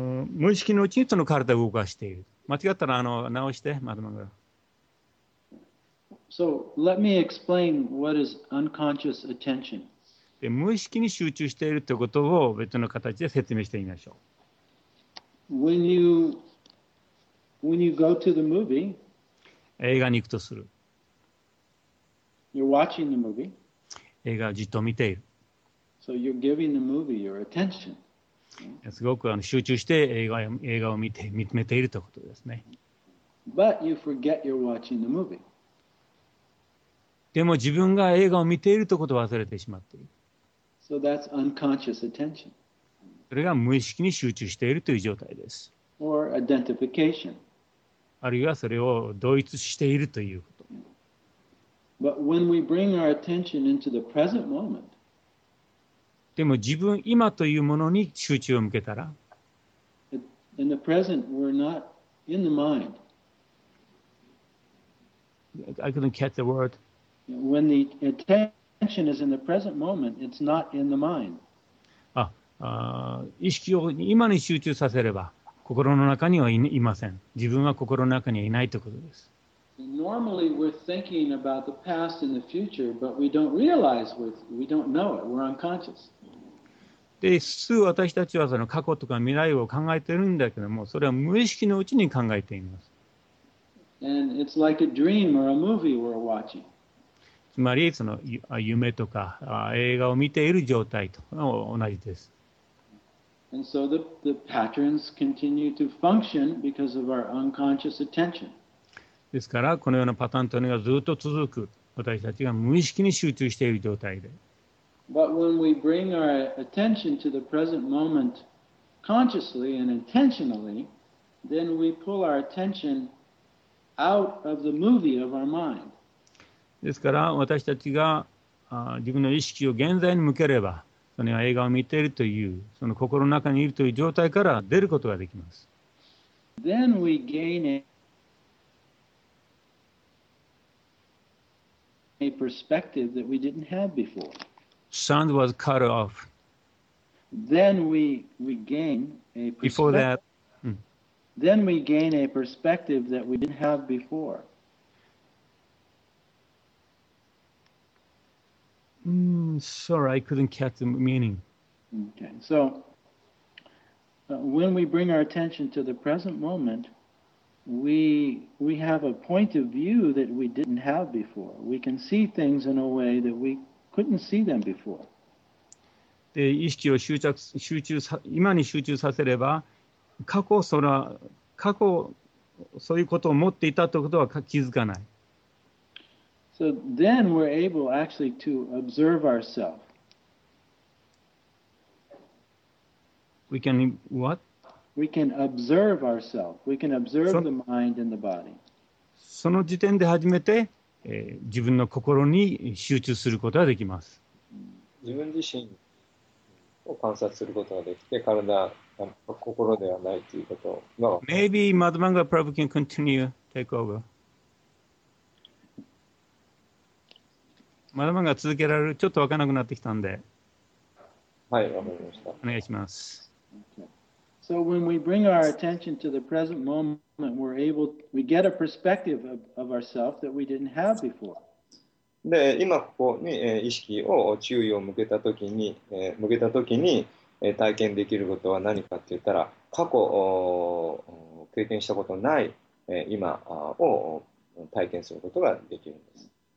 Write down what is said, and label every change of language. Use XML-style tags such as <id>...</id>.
<ja>無意識のうちにその体を動かしている。間違ったら直して、まだまだ。</ja> <en>So, let me explain what is unconscious attention.</en> <ja>で、無意識に集中しているということを別の形で説明してみましょう。</ja> <en>When you go to the movie,</en> <ja>映画に行くとする。</ja> <en>You're watching the movie.</en> <ja>映画をじっと見ている。</ja> <en>So, you're giving the movie your attention.</en> <ja>すごく集中して映画を見つめているということですね。</ja> <en>But you forget you're watching the movie.</en> <ja>でも自分が映画を見ているということを忘れてしまっている。</ja> <en>So that's unconscious attention.</en> <ja>それが無意識に集中しているという状態です。</ja> <en>Or identification.</en> <ja>あるいはそれを同一しているということ。</ja> <en>But when we bring our attention into the present moment,</en> <ja>でも自分今というものに集中を向けたら</ja> <en>in the present, we're not in the mind. I couldn't catch the word. When the attention is in the present moment, it's not in the mind.</en> <ja>あ、意識を今に集中させれば心の中にはいません。自分は心の中にはいないということです。</ja> <en>Normally we're thinking about the past and the future, but we don't realize we don't know it. We're unconscious.</en> <ja>で、普通私たちはその過去とか未来を考えているんだけども、それは無意識のうちに考えています。</ja> <en>And it's like a dream or a movie we're watching.</en> <ja>つまりその夢とか映画を見ている状態と同じです。</ja> <en>And so the patterns continue to function because of our unconscious attention.</en> <ja>ですからこのようなパターンというのがずっと続く、私たちが無意識に集中している状態で。</ja> <en>But when we bring our attention to the present moment consciously and intentionally, then we pull our attention out of the movie of our mind.</en> <ja>ですから私たちが自分の意識を現在に向ければ、その映画を見ているという、その心の中にいるという状態から出ることができます。</ja> <en>Then we gain a perspective that we didn't have before. Sound was cut off. Then we gain a perspective. Before that. Then we gain a perspective that we didn't have before. Sorry, I couldn't catch the meaning. Okay. So, when we bring our attention to the present moment,We have a point of view that we didn't have before. We can see things in a way that we couldn't see them before.</en> <ja>で、意識を今に集中させれば、過去そういうことを持っていたということは気づかない。</ja> <en>So then we're able actually to observe ourselves. We can what? We can observe ourselves. We can observe the mind and the body.</en> <ja>その時点で初めて、自分の心に集中することができます。自分自身を観察することができて、体、心ではないということの。</ja> <en>Maybe Mother Manga Prabhu can continue take over.</en> <ja>Mother Manga 続けられる、ちょっと分からなくなってきたんで。はい、わかりました。お願いします。</ja> <en>So when we bring our attention to the present moment, we get a perspective of ourselves that we didn't have before.</en> <ja>で、今ここに意識を注意を向けた時に体験できることは何かって言ったら、過去経験したことない今を体験することができるんです。</ja>